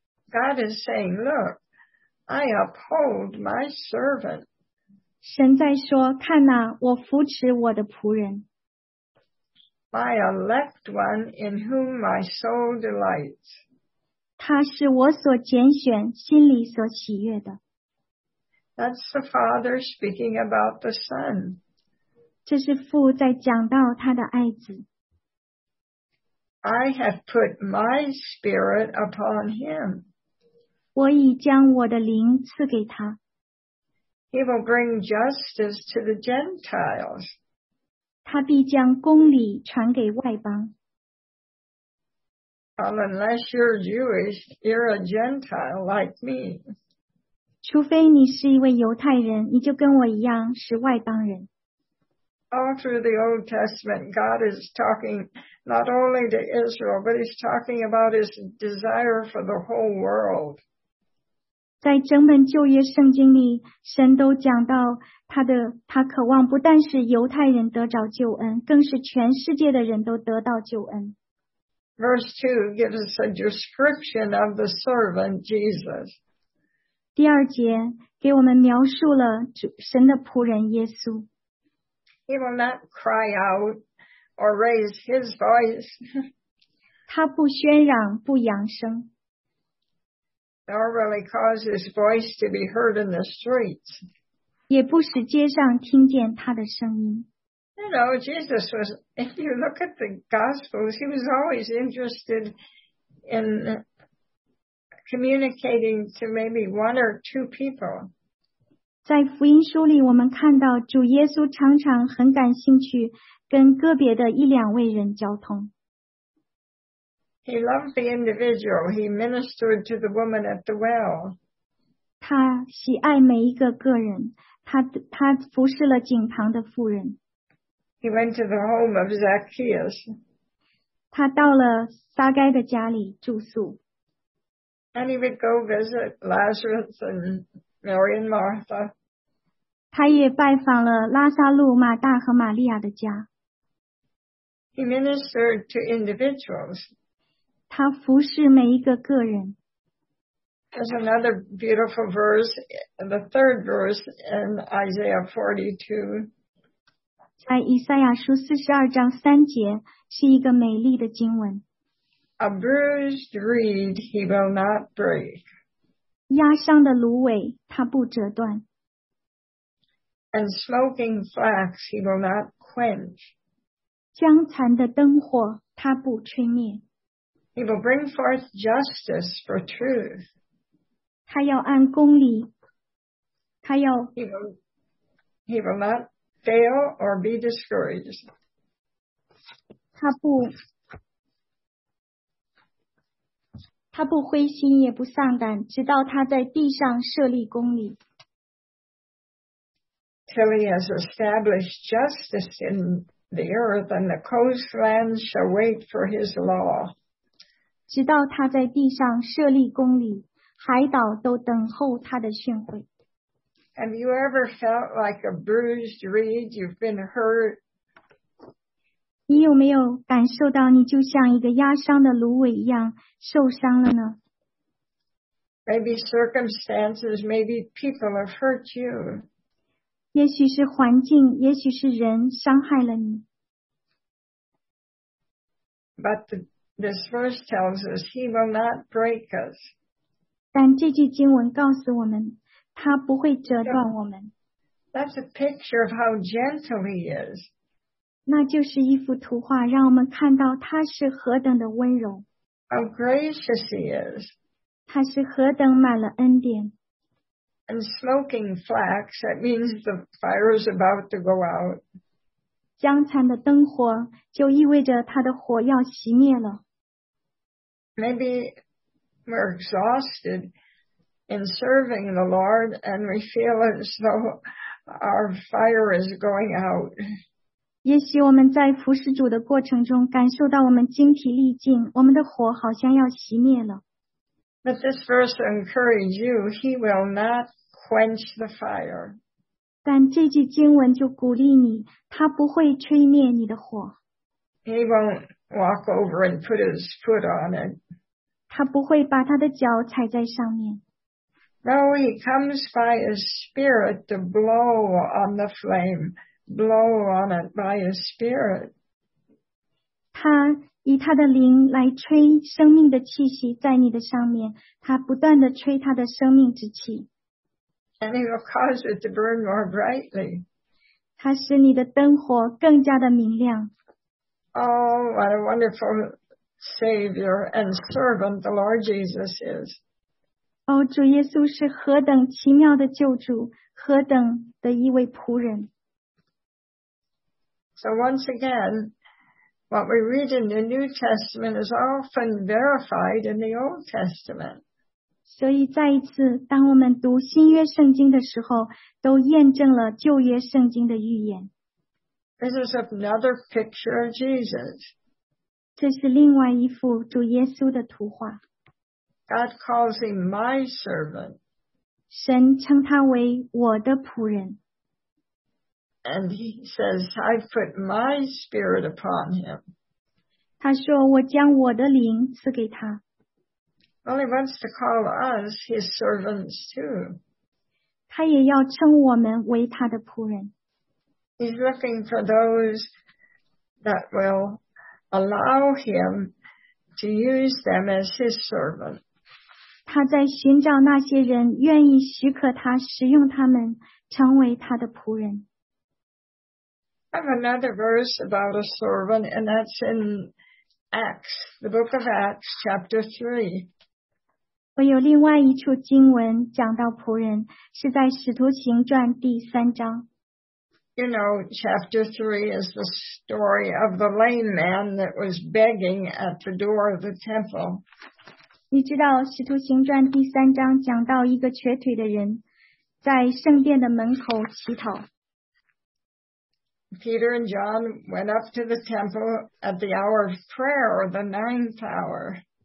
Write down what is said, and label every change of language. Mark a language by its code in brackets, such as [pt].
[en] God is saying, Look, I uphold my servant. [zh] 神在说，看哪，我扶持我的仆人。 [en] My elect one in whom my soul delights. [zh] 他是我所拣选，心里所喜悦的。 [en] That's the Father speaking about the Son. [zh] 这是父在讲到他的爱子。 [en] I have put my spirit upon him. [zh] 我已将我的灵赐给他。 [en] He will bring justice to the Gentiles. [zh] 他必将公理传给外邦。 [en] Well, unless you're Jewish, you're a Gentile like me. [zh] 除非你是一位犹太人，你就跟我一样是外邦人。 [en] All through the Old Testament, God is talking not only to Israel, but he's talking about his desire for the whole world. [zh] 在整本旧约圣经里，神都讲到他渴望不但是犹太人得着救恩，更是全世界的人都得到救恩。 [en] Verse 2 gives us a description of the servant Jesus. [zh] 第二节给我们描述了神的仆人耶稣。 [en] He will not cry out or raise his voice. [zh] 他不喧嚷，不扬声。 [en] Nor will he cause his voice to be heard in the streets. [zh] 也不使街上听见他的声音。 [en] You know, Jesus was, if you look at the Gospels, he was always interested in communicating to maybe one or two people. [zh] 在福音书里，我们看到主耶稣常常很感兴趣跟个别的一两位人交通。 [en] He loved the individual. He ministered to the woman at the well. [zh] 他喜爱每一个个人，他服侍了井旁的妇人。 [en] He went to the home of Zacchaeus. [zh] 他到了撒该的家里住宿。 [en] And he would go visit Lazarus and Mary and Martha. [zh] 他也拜访了拉撒路、马大和玛利亚的家。 [en] He ministered to individuals. [zh] 他服侍每一个个人。 [en] There's another beautiful verse, the third verse in Isaiah 42. [zh] 在以赛亚书四十二章三节是一个美丽的经文。 [en] A bruised reed he will not break. [zh] 压伤的芦苇他不折断。 [en] And smoking flax he will not quench. [zh] 僵残的灯火他不吹灭。 [en] He will bring forth justice for truth. [zh] 他要按公理。他要。 [en] He will not fail or be discouraged. [zh] 他不。他不灰心也不丧胆，直到他在地上设立公理。 [en] Till he has established justice in the earth and the coastlands shall wait for his law. [zh] 直到他在地上设立公理，海岛都等候他的训诲。 [en] Have you ever felt like a bruised reed? You've been hurt? [zh] 你有没有感受到你就像一个压伤的芦苇一样受伤了呢？ [en] Maybe circumstances, maybe people have hurt you. [zh] 也许是环境，也许是人伤害了你。 [en] But this verse tells us he will not break us. [zh] 但这句经文告诉我们，他不会折断我们。 [en] That's a picture of how gentle he is. [zh] 那就是一幅图画，让我们看到他是何等的温柔。 [en] How gracious he is. [zh] 他是何等满了恩典。 [en] And smoking flax, that means the fire is about to go out. [zh] 江残的灯火就意味着他的火要熄灭了。 [en] Maybe we're exhausted in serving the Lord and we feel as though our fire is going out. [zh] 也许我们在服侍主的过程中感受到我们精疲力尽，我们的火好像要熄灭了。 [en] But this verse encourages you, he will not quench the fire. [zh] 但这句经文就鼓励你，他不会吹灭你的火。 [en] He won't walk over and put his foot on it. [zh] 他不会把他的脚踩在上面。 [en] No, he comes by his spirit to blow on the flame, blow on it by his spirit. [zh] 他以他的灵来吹生命的气息在你的上面，他不断地吹他的生命之气。 [en] And he will cause it to burn more brightly. [zh] 他使你的灯火更加的明亮。 [en] Oh, what a wonderful Savior and servant the Lord Jesus is. [zh] 哦，主耶稣是何等奇妙的救主，何等的一位仆人。 [en] So once again,What we read in the New Testament is often verified in the Old Testament. [zh] 所以再一次，当我们读新约圣经的时候，都验证了旧约圣经的预言。 [en] This is another picture of Jesus. [zh] 这是另外一幅主耶稣的图画。 [en] God calls him my servant. [zh] 神称他为我的仆人。 [en] And he says, I put my spirit upon him. [zh] 他说我将我的灵赐给他。 [en] Well, he wants to call us his servants too. [zh] 他也要称我们为他的仆人。 [en] He's looking for those that will allow him to use them as his servant. [zh] 他在寻找那些人愿意许可他使用他们成为他的仆人。 [en] I have another verse about a servant, and that's in Acts, the book of Acts, chapter 3. [zh] 我有另外一处经文讲到仆人，是在《使徒行传》第三章。 [en] You know, chapter 3 is the story of the lame man that was begging at the door of the temple. [zh] 你知道《使徒行传》第三章讲到一个瘸腿的人在圣殿的门口乞讨。 [en] Peter and John went up to the temple at the hour of prayer, or the ninth hour.